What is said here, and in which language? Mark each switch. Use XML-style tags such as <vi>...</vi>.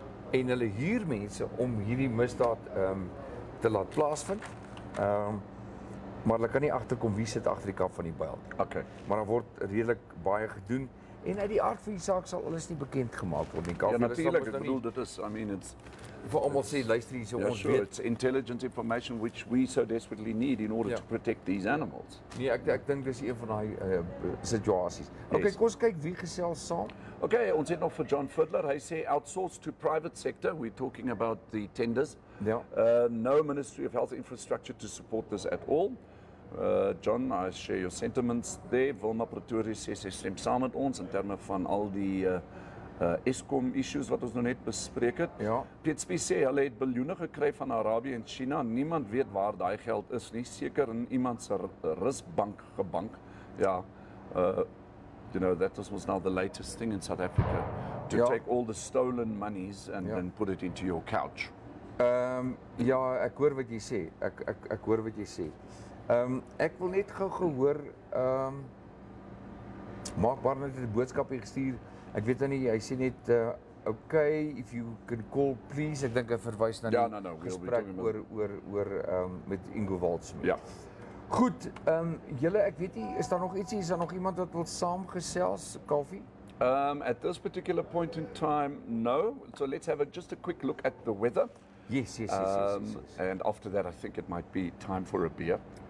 <af>En hulle huur mense om hierdie misdaad te laat plaasvind. Maar hulle kan nie agterkom wie sit agter die kap van die byl.</af> <en>Okay.</en> <af>Maar daar word redelik baie gedoen. En uit die aard van die saak sal alles nie bekend gemaak word nie. Kaffee, ja, natuurlik. Ek bedoel, dit is,</af> <en>I mean, it's...</en> <af>Vir almal sê, luister hier, so yeah, ons</af> <en>sure,</en> <af>weet...</af> <en>It's intelligent information which we so desperately need in order to protect these animals.</en> <af>Nee, ek dink dis een van die situasies.</af> <en>Okay, yes.</en> <af>Kom ons kyk wie gesels saam. Okay, ons het nog vir John Fiddler. Hy sê,</af> <en>outsourced to private sector. We're talking about the tenders.</en> <af>Ja.</af> <en>No Ministry of Health Infrastructure to support this at all.</en> <af>John, I share your sentiments there. Wilma Pretoria sê, sy stem saam met ons in terme van al die Eskom issues wat ons nou net bespreek het. Ja. Piet Spies sê, hulle het biljoene gekry van Arabië en China. Niemand weet waar die geld is nie. Seker in iemand se rusbank gebank.</af> <en>Ja, you know, that was now the latest thing in South Africa. To take all the stolen monies and then put it into your couch.</en> <af>Ja, ek hoor wat jy sê. Ek hoor wat jy sê. Ek wil net gou gehoor, Mark Barnard het 'n boodskap hier gestuur. Ek weet nie, hy sê net, okay,</af> <en>if you can call, please.</en> <af>Ek dink hy verwys na gesprek oor met Ingo Waldsmith. Ja. Goed, julle, ek weet nie, is daar nog ietsie, is daar nog iemand wat wil saamgesels, Kaufeee?</af> <en>At this particular point in time, no. So let's have just a quick look at the weather. Yes. And after that, I think it might be time for a beer.</en>